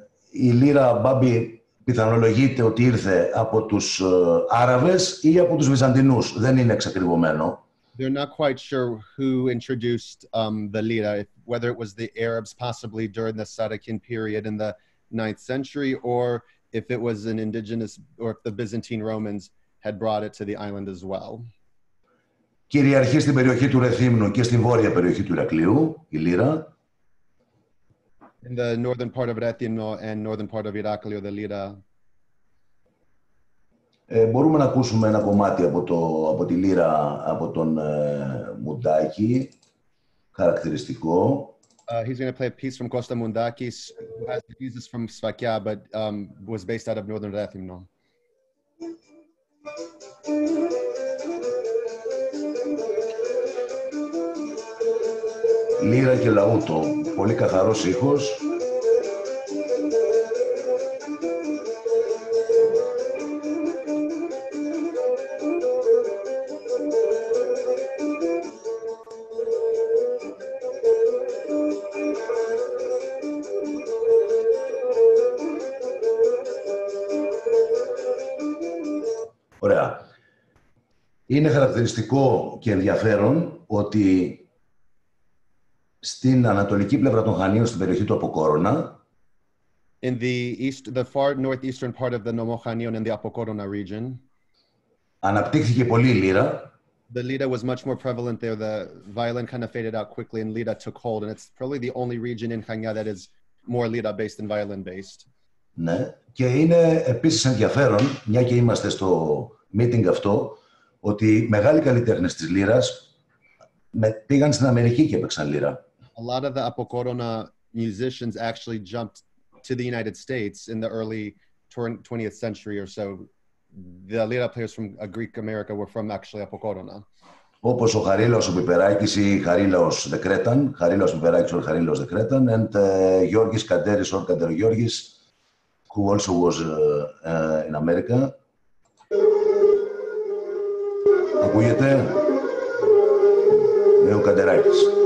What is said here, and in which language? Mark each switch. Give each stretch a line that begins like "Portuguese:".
Greek: Η lira, Bobby, πιθανολογείται ότι ήρθε από τους Άραβες ή από τους Βυζαντινούς. Δεν είναι εξακριβωμένο.
English: They're not quite sure who introduced the lira, whether it was the Arabs possibly during the Sadakin period in the 9th century, or if it was an indigenous, or if the Byzantine Romans had brought it to the island as well.
Greek: Κυριαρχεί στην περιοχή του Ρεθύμνου και στην βόρεια περιοχή του Ηρακλείου, η λύρα.
English: In the northern part of Ρέθινο and northern part of Ηράκλειο, the Lyra.
Greek: Μπορούμε να ακούσουμε ένα κομμάτι από, το, από τη Λύρα, από τον Μουντάκη, χαρακτηριστικό.
English: He's going to play a piece from Costa Mundakis, who has the pieces from Sfakia, but was based out of northern Ρέθινο.
Greek: Λύρα και λαούτο, πολύ καθαρός ήχος. Είναι χαρακτηριστικό και ενδιαφέρον ότι στην ανατολική πλευρά των Χανίων, στην περιοχή του Αποκόρωνα,
English: in the east, the far northeastern part of the Nomochanion in the Apokorona region,
Greek: αναπτύχθηκε πολύ η λύρα.
English: The lira was much more prevalent there. The violin kind of faded out quickly and lira took hold. And it's probably the only region in Chania that is more lira based than violin based.
Greek: Ναι, και είναι επίσης ενδιαφέρον, μια και είμαστε στο meeting αυτό, ότι μεγάλοι καλλιτέχνες της λύρας πήγαν στην Αμερική και έπαιξαν λύρα.
English: A lot of the Apokorona musicians actually jumped to the United States in the early 20th century or so. The lira players from Greek America were from actually Apokorona.
Greek: Όπως ο Χαρίλαος ο Πιπεράκης ή Χαρίλαος Δεκρέταν, Χαρίλαος Πιπεράκης ο Χαρίλαος Δεκρέταν, and Γιώργης Καντέρης ο Καντερογιώργης,
English: who also was in America.
Greek: Ακούγεται με ο Καντεράκης.